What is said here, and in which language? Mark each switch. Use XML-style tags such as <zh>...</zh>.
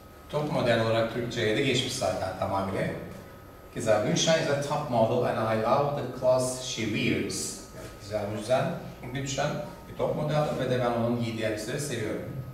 <tr>Top model olarak Türkçe'ye de geçmiş zaten tamamıyla. Güzel.</tr> <en>Gülşen is a top model and I love the clothes she wears.</en> <tr>Güzel, güzel. Gülşen bir top model ve de ben onun giydiği elbiseleri seviyorum.</tr>